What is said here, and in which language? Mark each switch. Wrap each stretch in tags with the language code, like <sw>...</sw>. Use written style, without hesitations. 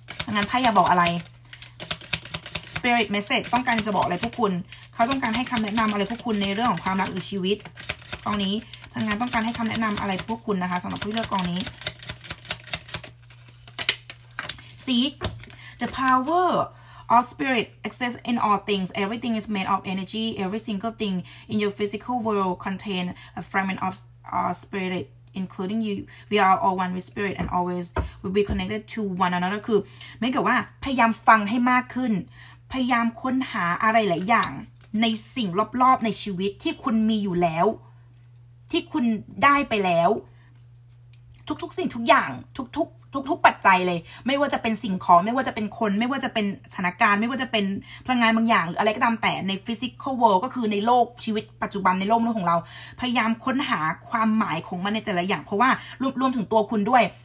<th>งั้นไพ่อยากบอกอะไร</th> <en>spirit message</en> <th>ต้องการจะบอกอะไรพวกคุณเขาต้องการให้คำแนะนำอะไรพวกคุณในเรื่องของความรักหรือชีวิตกองนี้ทางงานต้องการให้คำแนะนำอะไรพวกคุณนะคะสำหรับผู้เลือกกองนี้</th> <en>Seek the power of spirit exists in all things. Everything is made of energy. Every single thing in your physical world contains a fragment of spirit, including you. We are all one with spirit and always will be connected to one another.</en> <th>คือเหมือนกับว่าพยายามฟังให้มากขึ้นพยายามค้นหาอะไรหลายอย่างในสิ่งรอบๆในชีวิตที่คุณมีอยู่แล้วที่คุณได้ไปแล้วทุกๆสิ่งทุกอย่างทุกๆปัจจัยเลยไม่ว่าจะเป็นสิ่งของไม่ว่าจะเป็นคนไม่ว่าจะเป็นสถานการณ์ไม่ว่าจะเป็นพลังงานบางอย่างหรืออะไรก็ตามแต่ในฟิสิคอลเวิลด์ก็คือในโลกชีวิตปัจจุบันในโลกนี้ของเราพยายามค้นหาความหมายของมันในแต่ละอย่างเพราะว่ารวมถึงตัวคุณด้วย</th>